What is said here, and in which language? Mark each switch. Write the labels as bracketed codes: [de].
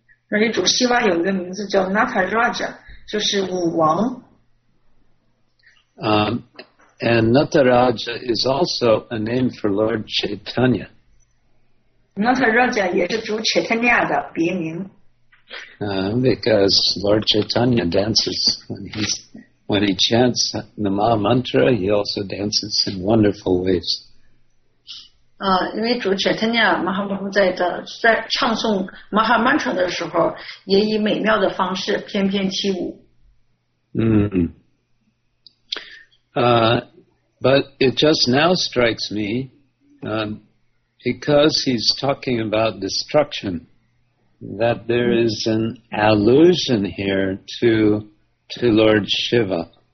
[zh] 而且主希瓦有一个名字叫 Nataraja, 就是舞王。 [en] And Nataraja is also a name for Lord Chaitanya. [zh] Nataraja 也是主 Chaitanya 的别名。 [en] Because Lord Chaitanya dances when he chants the Ma Mantra, he also dances in wonderful ways. [zh] 因为主 Chaitanya Mahaprabhu 在唱诵 Maha Mantra 的时候，也以美妙的方式翩翩起舞。 [en] But it just now strikes me, because he's talking about destruction, that there is an allusion here to Lord Shiva.